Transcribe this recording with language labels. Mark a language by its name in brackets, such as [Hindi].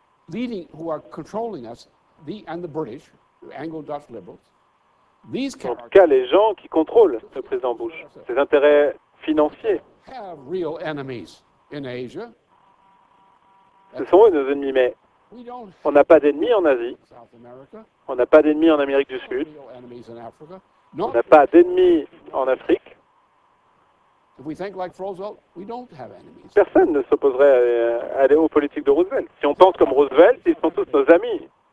[English] Leading, who are controlling us, the and the British, the Anglo-Dutch liberals, these characters. [French] En tout cas, les gens qui contrôlent le président Bush, ses intérêts financiers. [English] Have real enemies in Asia. [French] Ce sont eux nos ennemis, mais on n'a pas d'ennemis en Asie. On n'a pas d'ennemis en Amérique du Sud. On n'a pas d'ennemis en Afrique. [English] If we think like Roosevelt, we don't have enemies. [French] Personne ne s'opposerait aux politiques de Roosevelt. Si on pense comme Roosevelt, ils sont tous nos amis.